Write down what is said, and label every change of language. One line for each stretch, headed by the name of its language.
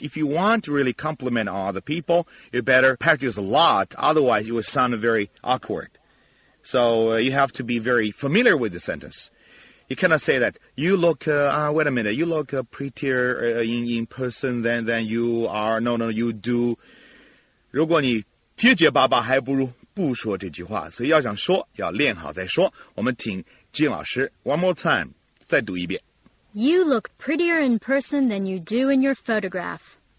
English: If you want to really compliment all the people, you better practice a lot. Otherwise, it will sound very awkward. So, you have to be very familiar with the sentence. You cannot say that, you look, wait a minute, you look prettier in person than you are. No, no, you do.
Chinese: 如果你结结巴巴还不如不说这句话。所以要想说,要练好再说。我们请金老师
English: one more time,
Chinese: 再读一遍。
English: You look prettier in person than you do in your photograph.